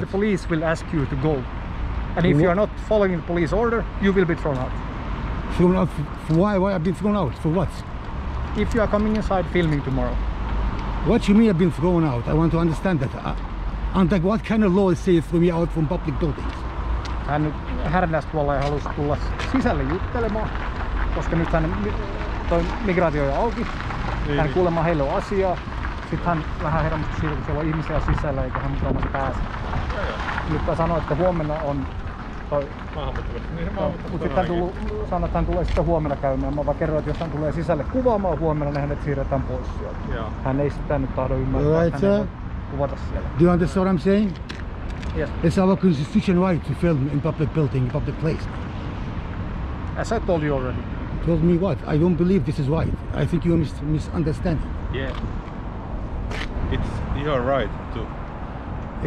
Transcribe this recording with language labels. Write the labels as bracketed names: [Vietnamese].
[English] The police will ask you to go. And if what? You are not following the police order, you will be thrown out. Thrown out? Why? Why I've been thrown out? For what? If you are coming inside filming tomorrow. What you mean I've been thrown out? I want to understand that. And like, what kind of law say you throw me out from public buildings? [Finnish] And härnäst vuolla ja halus tulla sisälle juttelemaan, koska nyt hän toi migraatio on auki. Hän kuulemma heillä on asiaa. Sitten hän vähän hermostui siitä, kun siellä on ihmisiä sisällä, eikä hän mukaan pääse. Nyt hän sanoi, että huomenna on toi... Mutta sitten sanoi, että hän tulee sitten huomenna käymään. Mä vaan kerron, että jos hän tulee sisälle kuvaamaan huomenna, niin hänet siirretään pois sieltä. [English] Yeah. [Finnish] Hän ei sitä nyt tahdo ymmärtää, [English] right, [Finnish] hän ei kuvata siellä. [English] Do you understand what I'm saying? Yes. It's our constitution right to film in public building, in public place. As I told you already. Told me what? I don't believe this is right. I think you're misunderstanding. Yeah. It's your right to